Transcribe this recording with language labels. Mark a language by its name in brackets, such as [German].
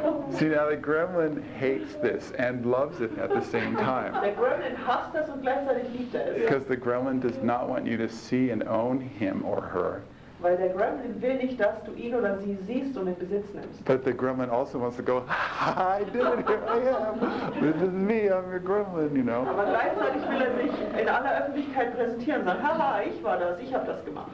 [English] See, now the gremlin hates this and loves it at the same time. [German] Der gremlin hasst das und gleichzeitig liebt es. [English] Because the gremlin does not want you to see and own him or her. [German] Weil der gremlin will nicht, dass du ihn oder sie siehst und in Besitz nimmst. [English] But the gremlin also wants to go, ha, I did it, here I am. This is me, I'm your gremlin, you know. [German] Aber gleichzeitig will sich in aller Öffentlichkeit präsentieren, sagen, haha, ich war das, ich habe das gemacht.